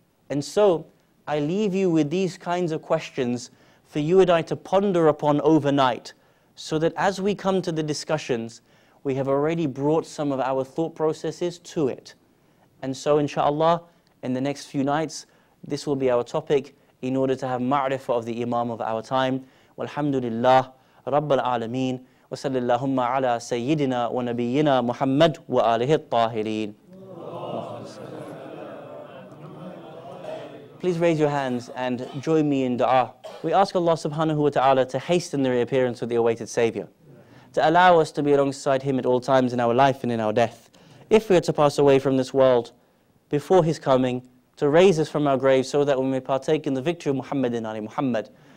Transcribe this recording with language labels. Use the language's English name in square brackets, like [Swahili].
[English] And so I leave you with these kinds of questions for you and I to ponder upon overnight, so that as we come to the discussions, we have already brought some of our thought processes to it. And so inshallah, in the next few nights, this will be our topic in order to have ma'rifah of the Imam of our time. [Arabic] Walhamdulillah, Rabbil Alameen, وصلى اللهم على سيدنا ونبينا محمد وآله الطاهرين. [English] Please raise your hands and join me in dua. We ask Allah subhanahu wa ta'ala to hasten the reappearance of the awaited Savior, to allow us to be alongside Him at all times in our life and in our death. If we are to pass away from this world before His coming, to raise us from our graves so that we may partake in the victory of Muhammad and Ali Muhammad.